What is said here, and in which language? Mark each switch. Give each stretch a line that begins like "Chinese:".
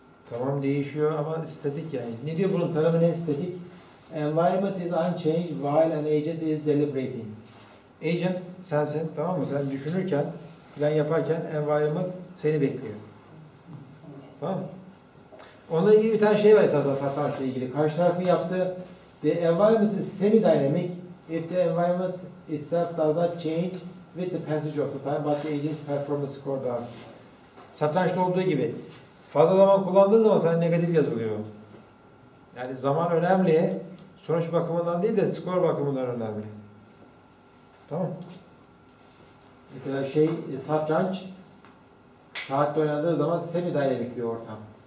Turkish: Tamam değişiyor ama statik yani. Ne diyor bunun tanımı ne statik?
English: Environment is unchanged while an agent is deliberating.
Turkish: Agent sensin, tamam mı? Sen düşünürken, plan yaparken environment seni bekliyor. Tamam mı? Onunla ilgili bir tane şey var esasında satrançla ilgili. Karşı tarafın yaptığı
English: the environment is semi-dynamic if the environment itself does not change with the passage of the time but the agent's performance score does.
Turkish: Satrançta olduğu gibi fazla zaman kullandığın zaman sen negatif yazılıyor. Yani zaman önemli, sonuç bakımından değil de skor bakımından önemli. Tamam. Mesela şey satranç saatte oynadığı zaman semi dinamik bir ortam.